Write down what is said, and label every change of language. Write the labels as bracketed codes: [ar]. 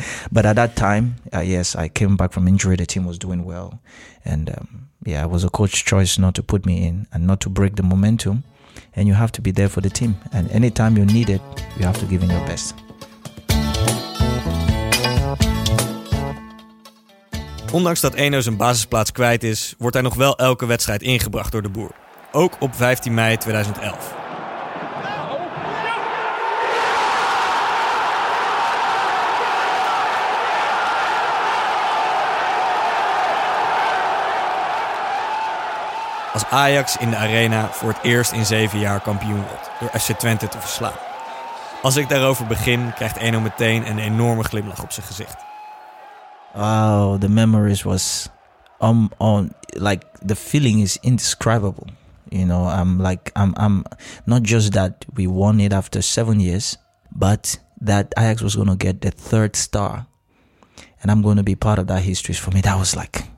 [en] But at that time, yes, I came back from injury. The team was doing well. And it was a coach's choice not to put me in and not to break the momentum. And you have to be there for the team. And anytime you need it, you have to give in your best. [nl] Ondanks dat Eno zijn basisplaats kwijt is, wordt hij nog wel elke wedstrijd ingebracht door de Boer. Ook op 15 mei 2011. Als Ajax in de arena voor het eerst in 7 jaar kampioen wordt door FC Twente te verslaan. Als ik daarover begin, krijgt Eno meteen een enorme glimlach op zijn gezicht. [en] Wow, the memories was like the feeling is indescribable. You know, I'm not just that we won it after 7 years, but that Ajax was going to get the third star, and I'm going to be part of that history. For me, that was like,